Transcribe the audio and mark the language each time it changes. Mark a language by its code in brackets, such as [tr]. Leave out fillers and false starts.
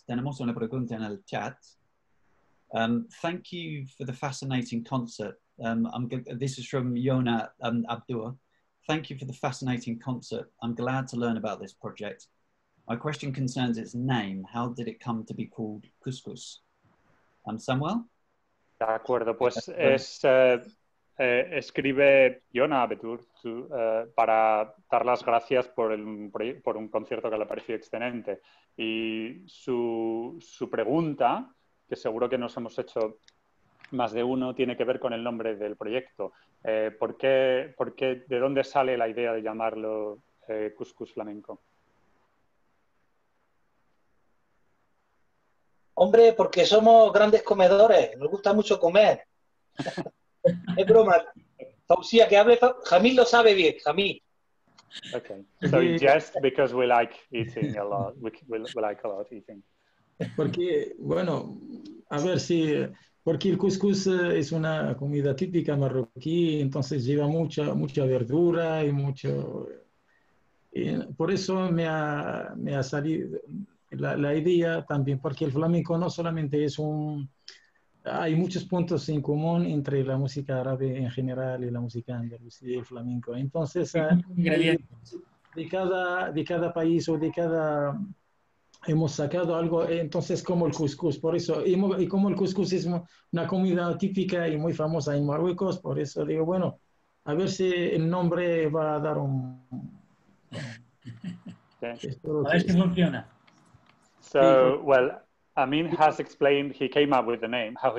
[es] Tenemos una pregunta en el chat. [en] Thank you for the fascinating concert. This is from Yona Abdur. Thank you for the fascinating concert. I'm glad to learn about this project. My question concerns its name. How did it come to be called CusCus? Samuel? [es] De acuerdo, pues escribe Yona Abdur para dar las gracias por un concierto que le ha parecido excelente. Y su pregunta, que seguro que nos hemos hecho más de uno tiene que ver con el nombre del proyecto. ¿Por qué, de dónde sale la idea de llamarlo CusCus Flamenco? Hombre, porque somos grandes comedores, nos gusta mucho comer. Es broma. Fausia, que hable, Jamil lo sabe bien, Jamil. [en] Okay, so it's just because we like eating a lot, we like a lot eating. [es] Porque, bueno, a ver si, porque el couscous es una comida típica marroquí, entonces lleva mucha verdura y mucho, y por eso me ha salido la idea también, porque el flamenco no solamente es un, hay muchos puntos en común entre la música árabe en general y la música andalusí y el flamenco. Entonces, de cada país o de cada, hemos sacado algo, entonces como el couscous, por eso, y como el couscous es una comida típica y muy famosa en Marruecos, por eso digo, bueno, a ver si el nombre va a dar un... Esto a ver si funciona. [en] So, well, Amin has explained how he came up with the name.